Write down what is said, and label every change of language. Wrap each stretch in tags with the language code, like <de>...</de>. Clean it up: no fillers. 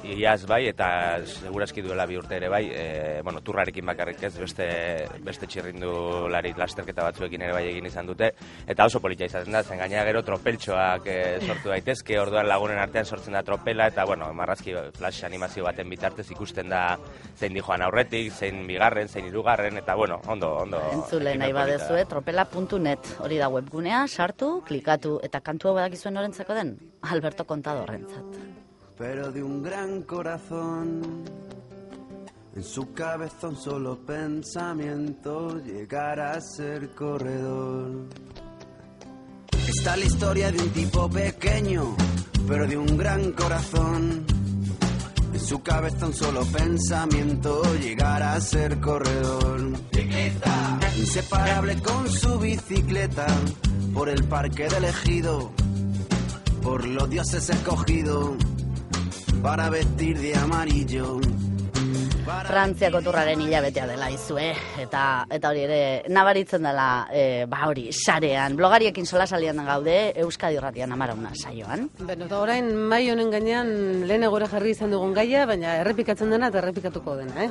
<eu>Iaz bai, eta segurazki duela bi urte ere bai, bueno, turrarekin bakarrik ez, beste txirrindu lari lasterketa batzuekin ere bai egin izan dute, eta oso politia izaten da, zen gainera gero tropeltxoak sortu daitezke, orduan lagunen artean sortzen da tropela, eta bueno, marrazki flash animazio baten bitartez ikusten da zein dijoan aurretik, zein bigarren, zein hirugarren, eta bueno, ondo. Entzule nahi badezu, tropela.net, hori da webgunea, sartu, klikatu, eta kantu hau badakizuen norentzako den, Alberto Contadorrentzat.</eu> <es>Pero de un gran corazón en su cabezón solo pensamiento llegar a ser corredor. Está la historia de un tipo pequeño, pero de un gran corazón. En su cabezón solo pensamiento llegar a ser corredor. ¡Ciclista! Inseparable con su bicicleta, por el parque del ejido, por los dioses escogido, para vestir de amarillo.</es> <eu>Frantziako turraren hilabetea dela izue, eta hori ere nabaritzen dela, ba hori, sarean. Blogariekin solasaldian gaude, Euskadi Irratian amarauna saioan. Beno, eta orain, mai honen gainean lehen egora jarri izan dugun gaia, baina errepikatzen dena eta errepikatuko dena, eh?</eu>